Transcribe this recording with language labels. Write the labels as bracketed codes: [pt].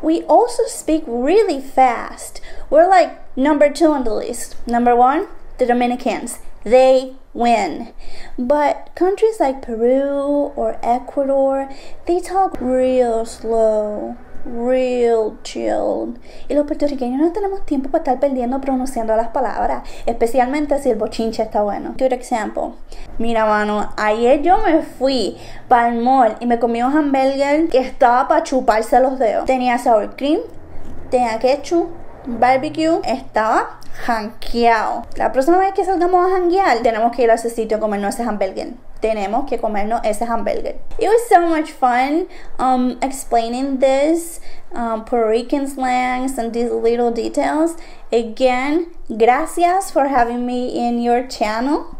[en] We also speak really fast. We're like number two on the list. Number one, the Dominicans. They win. But countries like Peru or Ecuador, they talk real slow, real chilled. [es] Y los puertorriqueños no tenemos tiempo para estar perdiendo pronunciando las palabras, especialmente si el bochinche está bueno. [en] Good example. [es] Mira, mano, ayer yo me fui para el mall y me comí un hamburger que estaba para chuparse los dedos. Tenía sour cream, tenía ketchup, barbecue, estaba jankeado. La próxima vez que salgamos a janguear, tenemos que ir a ese sitio a comernos ese hamburger. Tenemos que comernos ese hamburger. [en] It was so much fun explaining this, Puerto Rican slangs and these little details. Again, gracias for having me in your channel.